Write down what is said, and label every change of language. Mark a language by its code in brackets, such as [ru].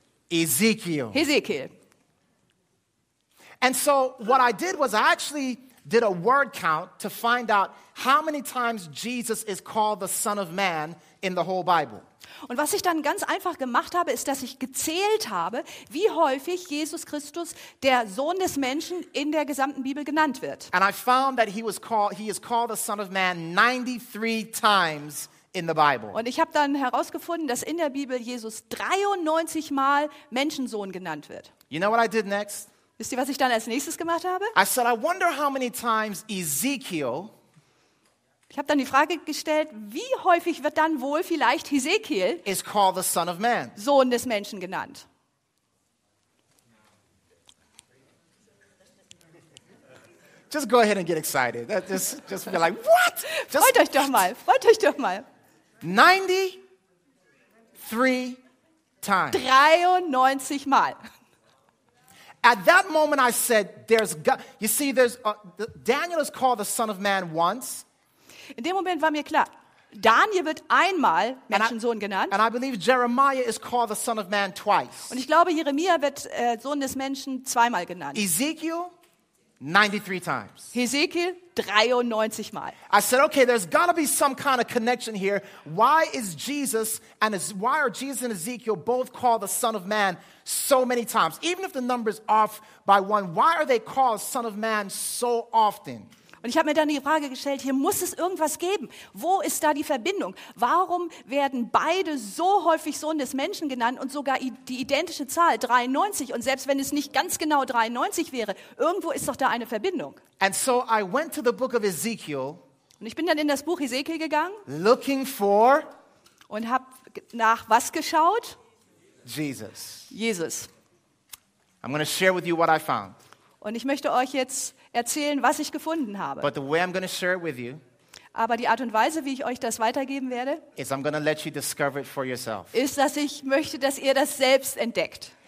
[en] Ezekiel. [de] Ezekiel. [en] And so what I did was I actually did a word count to find out how many times Jesus is called the Son of Man in the whole Bible. [de] Und was ich dann ganz einfach gemacht habe, ist, dass ich gezählt habe, wie häufig Jesus Christus, der Sohn des Menschen, in der gesamten Bibel genannt wird. [en] And I found that he is called the Son of Man 93 times in the Bible. [de] Und ich habe dann herausgefunden, dass in der Bibel Jesus 93 Mal Menschensohn genannt wird. [en] You know what I did next? [de] Wisst ihr, was ich dann als nächstes gemacht habe? [en] I said, I wonder how many times Ezekiel. [de] Ich habe dann die Frage gestellt, wie häufig wird dann wohl vielleicht Ezekiel [en] is called the Son of Man. [de] Sohn des Menschen genannt? [en] Just go ahead and get excited. Just be like, what? Just [de] freut euch doch mal, freut euch doch mal. [en] 93 times. [de] 93 Mal. [en] At that moment I said, Daniel is called the Son of Man once. [de] In dem Moment war mir klar, Daniel wird einmal Menschensohn genannt. [en] And I believe Jeremiah is called the Son of Man twice. [de] Und ich glaube, Jeremia wird Sohn des Menschen zweimal genannt. [en] Ezekiel 93 times. [de] Ezekiel 93 Mal. [en] I said, okay, there's got to be some kind of connection here. Why are Jesus and Ezekiel both called the Son of Man so many times? Even if the number's off by one, why are they called Son of Man so often? [de] Und ich habe mir dann die Frage gestellt, hier muss es irgendwas geben. Wo ist da die Verbindung? Warum werden beide so häufig Sohn des Menschen genannt und sogar die identische Zahl, 93? Und selbst wenn es nicht ganz genau 93 wäre, irgendwo ist doch da eine Verbindung. [en] And so I went to the book of Ezekiel, [de] und ich bin dann in das Buch Ezekiel gegangen [en] looking for [de] und habe nach was geschaut? [en] Jesus. [de] Jesus. [en] I'm going to share with you what I found. [de] Und ich möchte euch jetzt erzählen, was ich gefunden habe. [en] But the way I'm going to share it with you, [de] aber die Art und Weise, wie ich euch das weitergeben werde, [en] is I'm going to let you discover it for yourself. [de] Ist, dass ich möchte, dass ihr das selbst entdeckt.